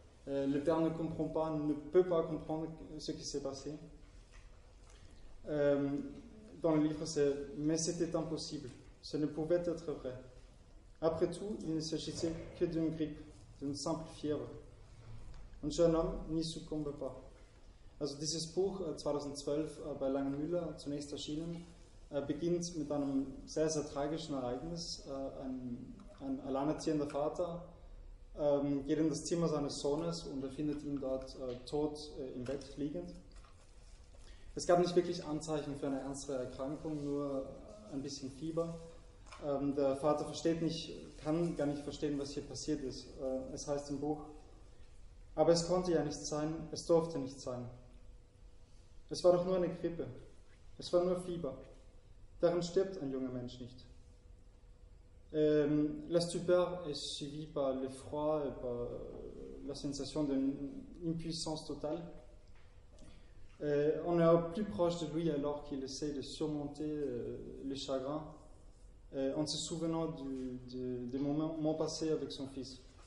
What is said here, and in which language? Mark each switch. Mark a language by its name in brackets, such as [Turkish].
[French] Le père ne comprend pas, ne peut pas comprendre ce qui s'est passé. Dans le livre, c'est « Mais c'était impossible, ce ne pouvait être vrai. Après tout, il ne s'agissait que d'une grippe, d'une simple fièvre. Un jeune homme n'y succombe pas. [German] » Also dieses Buch, 2012, bei Langemüller, zunächst erschienen, beginnt mit einem sehr, sehr tragischen Ereignis. Ein alleinerziehender Vater geht in das Zimmer seines Sohnes und er findet ihn dort tot im Bett liegend. Es gab nicht wirklich Anzeichen für eine ernste Erkrankung, nur ein bisschen Fieber. Der Vater versteht nicht, kann gar nicht verstehen, was hier passiert ist. Es heißt im Buch, aber es konnte ja nicht sein, es durfte nicht sein. Es war doch nur eine Grippe, es war nur Fieber. Daran stirbt ein junger Mensch nicht. [French] La stupeur est suivie par le froid et par la sensation d'une impuissance totale. On est au plus proche de lui alors qu'il essaie de surmonter le chagrin en se souvenant des moments passés avec son fils.